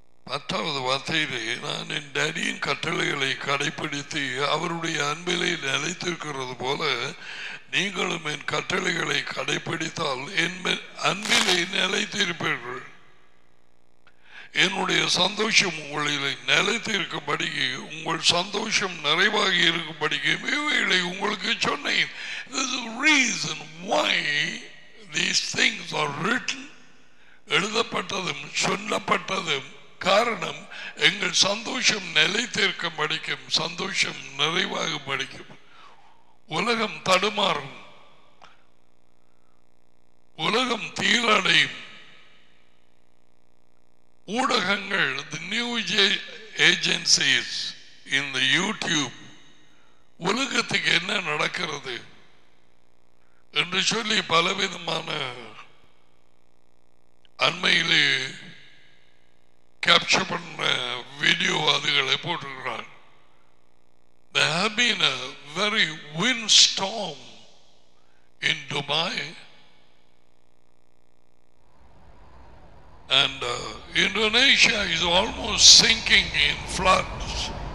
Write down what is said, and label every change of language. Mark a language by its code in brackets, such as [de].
[ta] 10th வார்த்தையிலே நான் என் டாடியின் கட்டளைகளை கடைபிடித்து அவருடைய அன்பிலே நிலைத்திருக்கிறது போல நீங்களும் என் கட்டளைகளை கடைபிடித்தால் என் அன்பிலே நிலைத்திருப்பீர்கள். என்னுடைய சந்தோஷம் உங்களில் நிலைத்திருக்கும்படிக்கு உங்கள் சந்தோஷம் நிறைவாக இருக்கும்படிக்கு இவைகளை உங்களுக்கு சொன்னேன். [en] This is the reason why these things are written. [ta] எழுதப்பட்டதும் சொல்லப்பட்டதும் காரணம் எங்கள் சந்தோஷம் நிலைத்திருக்கும் படிக்கும், சந்தோஷம் நிறைவாக படிக்கும். உலகம் தடுமாறும், உலகம் தீராடையும். ஊடகங்கள், [en] the news agencies, [ta] இந்த யூடியூப், உலகத்துக்கு என்ன நடக்கிறது என்று சொல்லி பலவிதமான அண்மையில் கேப்சர் பண்ண வீடியோவாதிகளை போட்டிருக்கிறார். [en] There have been a very wind storm in Dubai. And Indonesia is almost sinking in floods.